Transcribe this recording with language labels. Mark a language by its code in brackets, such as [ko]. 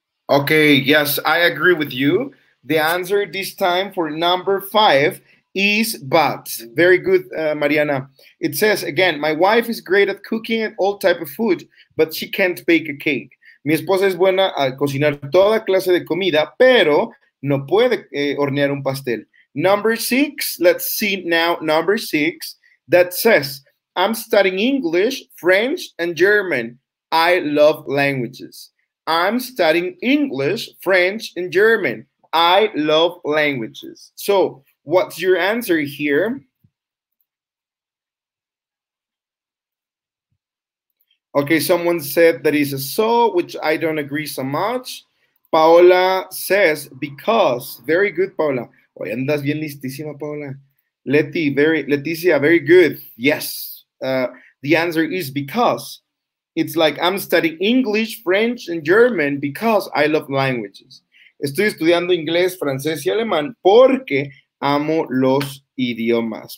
[en] Okay, yes, I agree with you. The answer this time for number 5 is but. Very good, Mariana. It says, again, my wife is great at cooking and all type of food, but she can't bake a cake. [es] Mi esposa es buena a cocinar toda clase de comida, pero no puede hornear un pastel. [en] Number 6, let's see now number 6, that says, I'm studying English, French, and German. I love languages. I'm studying English, French, and German. I love languages. So, what's your answer here? Okay, someone said that is a so, which I don't agree so much. Paola says, because. Very good, Paola. [es] Hoy andas bien listísima, Paola. Leticia, [en] very good. Yes. The answer is because. It's like I'm studying English, French, and German because I love languages. [es] Estoy estudiando inglés, francés y alemán porque amo los idiomas.